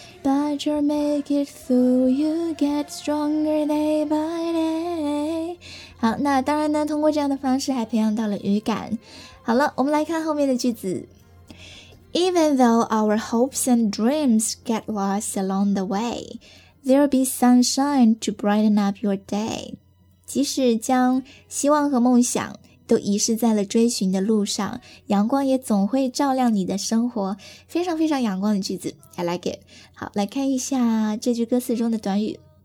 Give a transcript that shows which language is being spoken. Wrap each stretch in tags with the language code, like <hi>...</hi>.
<en>But you make it through, you get stronger day by day。</en> <zh>好，那当然呢通过这样的方式还培养到了语感。好了，我们来看后面的句子。</zh> <en>Even though our hopes and dreams get lost along the way, there'll be sunshine to brighten up your day。</en> <zh>即使将希望和梦想都遗失在了追寻的路上，阳光也总会照亮你的生活。非常非常阳光的句子，</zh> <en>I like it。</en> <zh>好，来看一下这句歌词中的短语。</zh>